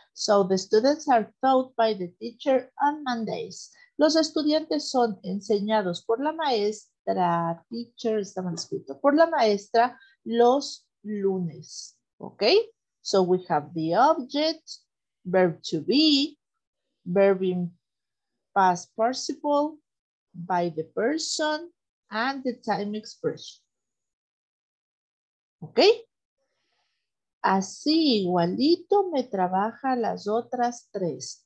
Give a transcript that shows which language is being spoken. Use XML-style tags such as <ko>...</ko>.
<en>So the students are taught by the teacher on Mondays.</en> <es>Los estudiantes son enseñados por la maestra, teacher, está mal escrito, por la maestra los lunes.</es> <en>Okay? So we have the object, verb to be, verb in past participle, by the person, and the time expression.</en> <es>¿Ok? Así igualito me trabaja las otras tres.</es>